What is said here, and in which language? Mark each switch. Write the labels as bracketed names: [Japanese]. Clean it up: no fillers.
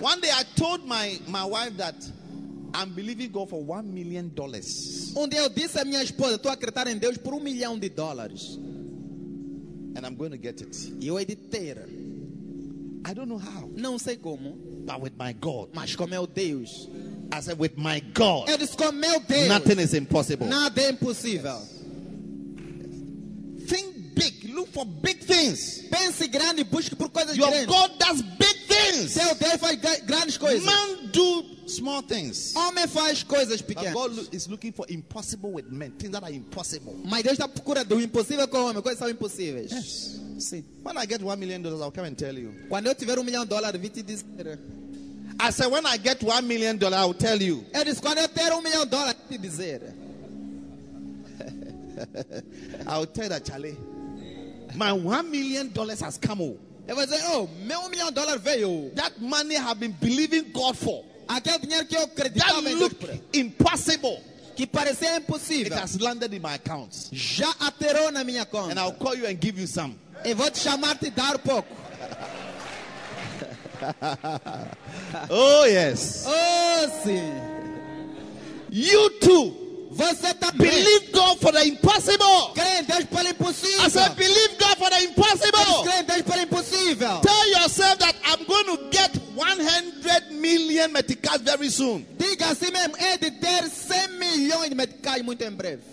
[English] One day I told my wife that I'm believing God for $1 million. [Portuguese] Um dia eu disse à minha esposa, estou a acreditar em Deus por $1 million. [English] And I'm going to get it. [Portuguese] E eu hei de ter. [English] I don't know how. [Portuguese] Não sei como. [English] But with my God. [Portuguese] Mas com meu Deus. [English] I said with my God. [Portuguese] Eu disse com meu Deus. [English] Nothing is impossible. [Portuguese] Nada é impossível. [English] Yes. Think big. Look for big things. [Portuguese] Pense grande, busque por coisas [English] Your [Portuguese] grandes. [English] Your God does big things. [Portuguese] Seu Deus faz grandes coisas. [English] Man do small things. [Portuguese] Homem faz coisas pequenas. [English] But God is looking for impossible with men, things that are impossible. [Portuguese] Mas Deus está procurando o impossível com homem, coisas são impossíveis. [English] Yes. [Portuguese] Sim. [English] When I get $1 million, I'll come and tell you. [Portuguese] Quando eu tiver $1 million, vim te dizer. [English] I said, when I get $1 million, I'll tell you. [Portuguese] Eu disse, quando eu ter $1 million, vim te dizer. [English] I'll tell you that, Charlie. My $1 million has come home. [Portuguese] Ele vai dizer, oh, meu $1 million veio. [English] That money have been believing God for. [Portuguese] Aquele dinheiro que eu acreditava em Deus. [English] Impossible. [Portuguese] Que parecia impossível. [English] It has landed in my account. [Portuguese] Já aterrou na minha conta. [English] And I'll call you and give you some. [Portuguese] E vou te chamar e dar pouco. [English] Oh yes. [Portuguese] Oh sim. [English] You too. [Portuguese] Você também. [English] Believe God for the impossible. [Portuguese] Creia em Deus para o impossível. [English] I said, believe God for the impossible. [Portuguese] Creia em Deus para o impossível. [English] Tell yourself that I'm going to get 100 million meticais very soon. [Portuguese] Diga a si mesmo, é de ter 100 milhões de meticais muito em breve.